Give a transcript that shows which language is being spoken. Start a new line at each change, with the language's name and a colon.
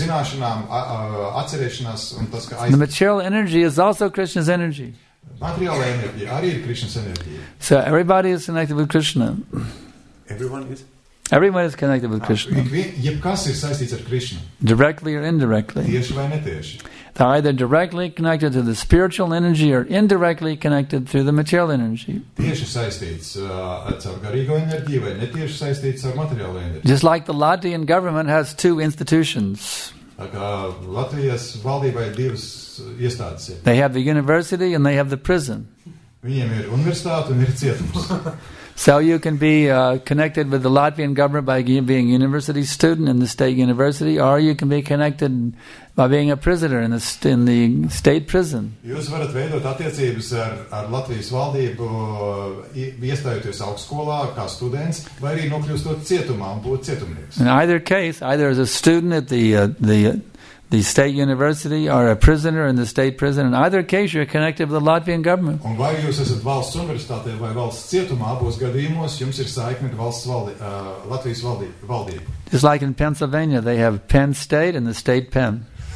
Latvian: Zināšanām, atcerēšanās un tas, ka
English: the material energy is also Krishna's energy.
Latvian: Materiāla enerģija arī ir Krishna's energija.
English: So everybody is connected with Krishna. Everyone is. Everyone is connected with Krishna.
Latvian: Jebkas ir saistīts ar Krishna.
English: Directly or indirectly.
Latvian: Tieši vai netieši.
English: They're either directly connected to the spiritual energy or indirectly connected through the material energy.
Latvian: Tieši saistīts ar garīgo enerģiju vai netieši saistīts ar materiālo enerģiju.
English: Just like the Latvian government has two institutions.
Latvian: Tā kā Latvijas valdībai divas iestādes ir.
English: They have the university and they have the prison.
Latvian: Viņiem ir universitāte un ir cietums.
English: So you can be connected with the Latvian government by being a university student in the state university, or you can be connected by being a prisoner in the state prison.
Latvian: Jūs varat veidot attiecības ar Latvijas valdību, iestājoties augstskolā kā students, vai arī nokļūstot cietumā un būt cietumnieks.
English: In either case, either as a student at the state university or a prisoner in the state prison, in either case you're connected with the Latvian government.
Latvian: Un vai jūs esat valsts universitātē vai valsts cietumā, abos gadījumos jums ir saikne ar valsts Latvijas valdību.
English: Just like in Pennsylvania, they have Penn State and the state pen.